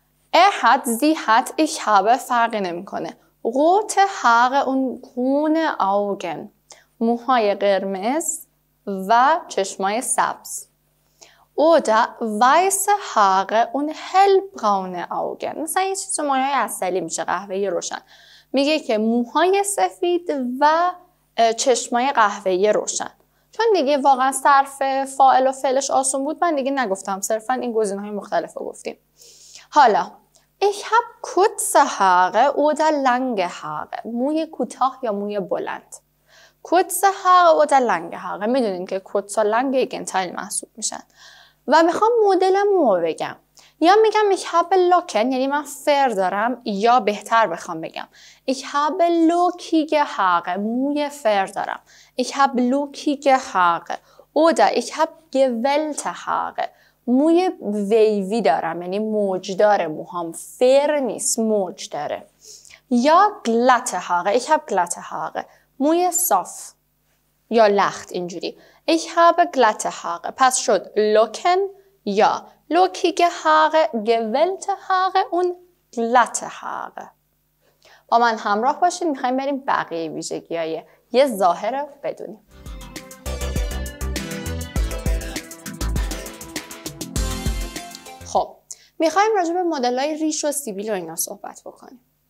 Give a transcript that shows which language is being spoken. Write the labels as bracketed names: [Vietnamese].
[German] Er hat, sie hat, ich habe [Persian] فرقی نمیکنه. [German] Rote Haare und grüne Augen, [Persian] موهای قرمز و چشمای سبز. [German] Oder weiße Haare und hellbraune Augen. [Persian] مثلا یه چیز مایه عسلی میشه قهوه‌ای روشن. میگه که موهای سفید و چشمای قهوه‌ای روشن. چون دیگه واقعا صرف فاعل و فعلش آسون بود من دیگه نگفتم. صرفا این گزینه‌های مختلف رو گفتیم. [German] حالا ich hab kurze Haare oder lange Haare. [Persian] موی کوتاه یا موی بلند. [German] Kurze Haare oder lange Haare. [Persian] میدونین که kurz و lang gegenteil محسوب میشن. و میخوام مدل مو بگم. یا میگم [German] ich habe locken [Persian] یعنی من فر دارم یا بهتر بخوام بگم [German] ich habe lockige Haare [Persian] موی فر دارم [German] ich habe lockige Haare oder ich habe gewellte Haare [Persian] موی ویوی دارم یعنی موج داره موهام فر نیست موج داره یا [German] glatte Haare ich habe glatte Haare [Persian] موی صاف یا لخت اینجوری [German] ich habe glatte Haare [Persian] پس شد [German] locken یا lockige Haare, gewellte Haare und glatte Haare. [Persian] با من همراه باشین میخواییم بریم بقیه ویژگی های یه ظاهر رو بدونیم. خب، میخواییم راجع به مدل های ریش و سیبیل و اینا صحبت بکنیم.